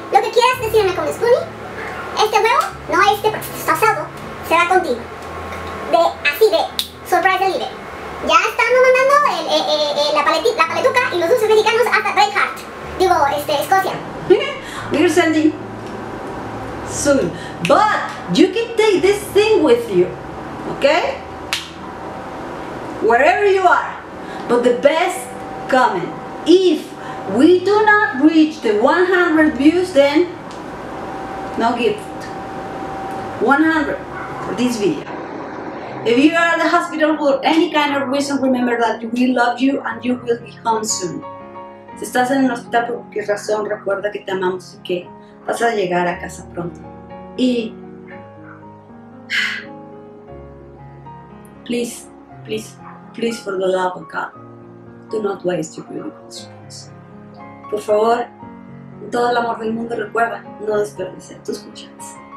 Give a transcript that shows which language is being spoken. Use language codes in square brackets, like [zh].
[es] Lo que quieras decirme con Spoonie, este huevo, no este, porque está asado, será contigo. De, así de, [en] surprise delivery. [es] Ya estamos mandando la paletuca y los dulces mexicanos hasta Braveheart. Digo, Escocia. [en] We're sending soon. But you can take this thing with you. Okay? Wherever you are, but the best comment. If we do not reach the 100 views, then no gift. 100 for this video. If you are at the hospital for any kind of reason, remember that we love you and you will be home soon. [es] Si estás en el hospital por cualquier razón, recuerda que te amamos y que vas a llegar a casa pronto. [en] Y please, for the love of God, do not waste your beautiful spoons. [es] Por favor, en todo el amor del mundo, recuerda, no desperdiciar tus cucharas.